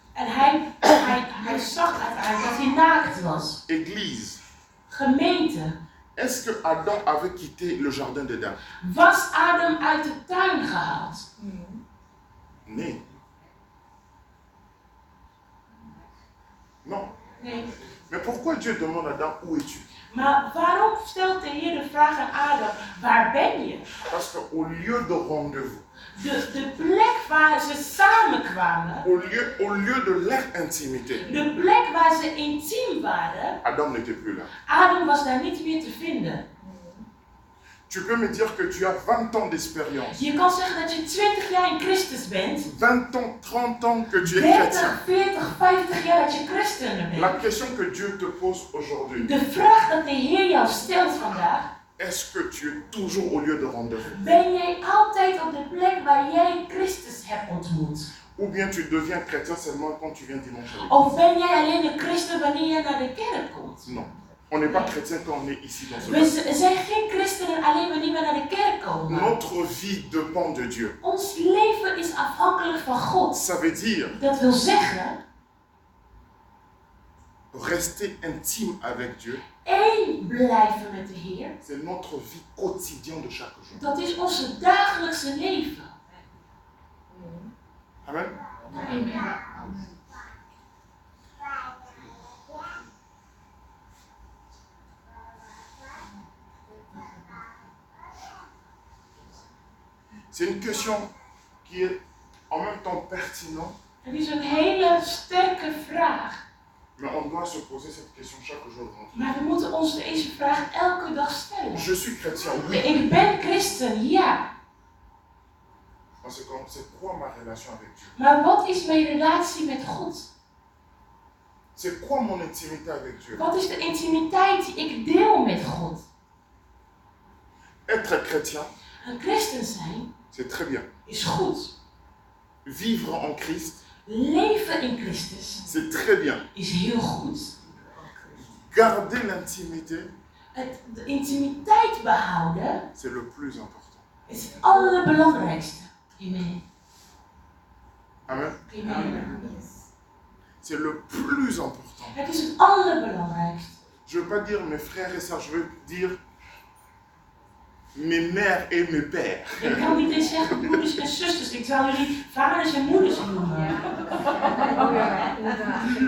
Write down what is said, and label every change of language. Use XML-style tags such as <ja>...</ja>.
<nl>En hij zag uiteindelijk dat hij naakt was.</nl> <fr>Église.</fr> <nl>Gemeente.</nl> <fr>Est-ce que Adam avait quitté le jardin d'Eden?</fr> <nl>Was Adam uit de tuin gehaald? Nee.</nl> <fr>Non.</fr> <nl>Nee.</nl> <fr>Mais pourquoi Dieu demande à Adam où es-tu?</fr> <nl>Maar waarom stelt de Heer de vraag aan Adam, waar ben je?</nl> <fr>Parce que au lieu de rendez-vous.</fr> <nl>De plek waar ze samen kwamen.</nl> <fr>Au lieu de leur intimité.</fr> <nl>De plek waar ze intiem waren.</nl> <fr>Adam n'était plus là.</fr> <nl>Adam was daar niet meer te vinden.</nl> <fr>Tu peux me dire que tu as 20 ans d'expérience.</fr> <nl>Je kan zeggen dat je 20 jaar in Christus bent.</nl> <fr>20 ans, 30 ans que tu es 30, chrétien.</fr> <nl>40, 50 jaar dat je christen bent.</nl> <fr>La question que Dieu te pose aujourd'hui.</fr> <nl>De vraag dat de Heer jou stelt vandaag.</nl> <fr>Est-ce que tu es toujours au lieu de rendez-vous?</fr> <nl>Ben jij altijd op de plek waar jij Christus hebt ontmoet?</nl> <fr>Ou bien tu deviens chrétien seulement quand tu viens dimanche.</fr> <nl>Of ben jij alleen een christen wanneer je naar de kerk komt?</nl> <fr>Non. On n'est pas chrétien quand on est ici dans ce monde.</fr> <nl>We zijn geen christenen alleen wanneer we naar de kerk komen.</nl> <fr>Notre vie dépend de Dieu.</fr> <nl>Ons leven is afhankelijk van God.</nl> <fr>Ça veut dire.</fr> <nl>Dat wil zeggen.</nl> <fr>Rester intime avec Dieu.</fr> <nl>Eén blijven met de Heer.</nl> <fr>C'est notre vie quotidienne de chaque jour.</fr> <nl>Dat is ons dagelijkse leven.</nl> <fr>Amen.</fr> <nl>Amen.</nl> <fr>C'est une question qui est en même temps pertinente.</fr> <nl>Het is een hele sterke vraag.</nl> <fr>Mais on doit se poser cette question chaque jour.</fr> <nl>Maar we moeten ons deze vraag elke dag stellen.</nl> <fr>Je suis chrétien, oui.</fr> <nl>Ik ben christen, ja.</nl> <fr>Parce que c'est quoi ma relation avec Dieu?</fr> <nl>Maar wat is mijn relatie met God?</nl> <fr>C'est quoi mon intimité avec Dieu?</fr> <nl>Wat is de intimiteit die ik deel met God?</nl> <fr>être chrétien,</fr> <nl>un christen zijn,</nl> <fr>c'est très bien,</fr> <nl>is goed.</nl> <fr>Vivre en Christ,</fr> <nl>leven in Christus,</nl> <fr>c'est très bien,</fr> <nl>is heel goed.</nl> <fr>Garder l'intimité,</fr> <nl>de intimiteit behouden,</nl> <fr>c'est le plus important,</fr> <nl>is het allerbelangrijkste.</nl> <fr>Amen.</fr> <nl>Amen. Amen.</nl> <fr>C'est le plus important.</fr> <nl>Het is het allerbelangrijkste.</nl> <fr>Je ne veux pas dire mes frères et sœurs, je veux dire mes mères et mes pères. Je ne peux pas dire mes frères et sœurs, je veux dire mes frères et mes mères.</fr>